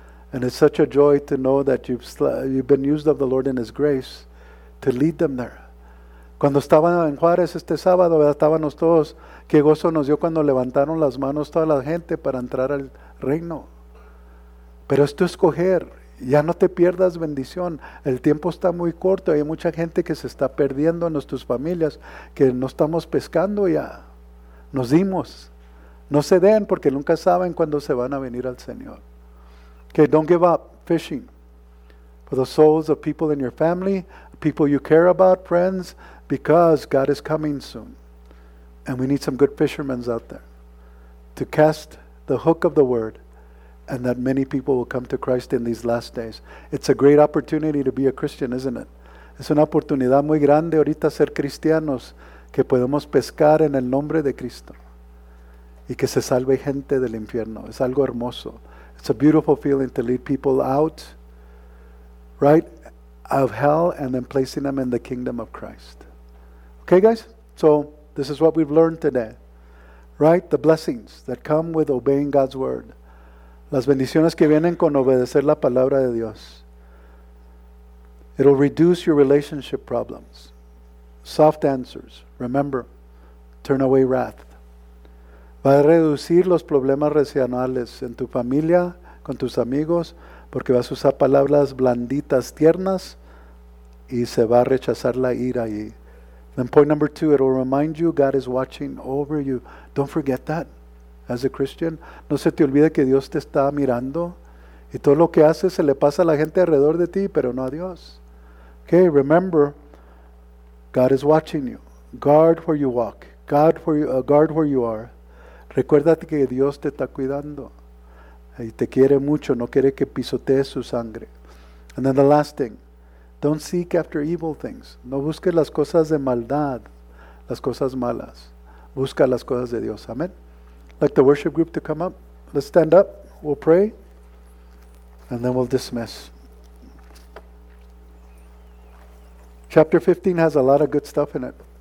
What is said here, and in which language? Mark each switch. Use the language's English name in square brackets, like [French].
[English] And it's such a joy to know that you've been used of the Lord in His grace to lead them there. [Spanish] Cuando estaba en Juárez este sábado, ¿verdad? Estábamos todos. Qué gozo nos dio cuando levantaron las manos toda la gente para entrar al reino. Pero es tu escoger. Ya no te pierdas bendición. El tiempo está muy corto. Hay mucha gente que se está perdiendo en nuestras familias, que no estamos pescando ya. Nos dimos. No se den porque nunca saben cuándo se van a venir al Señor. [English] Okay, don't give up fishing for the souls of people in your family, people you care about, friends, because God is coming soon. And we need some good fishermen out there to cast the hook of the word, and that many people will come to Christ in these last days. It's a great opportunity to be a Christian, isn't it? [Spanish] Es una oportunidad muy grande ahorita ser cristianos que podemos pescar en el nombre de Cristo y que se salve gente del infierno. Es algo hermoso. [English] It's a beautiful feeling to lead people out, right, of hell and then placing them in the kingdom of Christ. Okay, guys? So this is what we've learned today, right? The blessings that come with obeying God's word. [Spanish] Las bendiciones que vienen con obedecer la palabra de Dios. [English] It'll reduce your relationship problems. Soft answers. Remember, turn away wrath. [Spanish] Va a reducir los problemas relacionales en tu familia, con tus amigos, porque vas a usar palabras blanditas, tiernas, y se va a rechazar la ira ahí. [English] Then point number two, it will remind you God is watching over you. Don't forget that as a Christian. [Spanish] No se te olvide que Dios te está mirando y todo lo que haces se le pasa a la gente alrededor de ti, pero no a Dios. [English] Okay, remember, God is watching you. Guard where you walk. Guard where you are. [Spanish] Recuérdate que Dios te está cuidando y te quiere mucho, no quiere que pisotees su sangre. [English] And then the last thing, don't seek after evil things. [Spanish] No busques las cosas de maldad, las cosas malas. Busca las cosas de Dios. [English] Amen. Like the worship group to come up. Let's stand up. We'll pray. And then we'll dismiss. Chapter 15 has a lot of good stuff in it.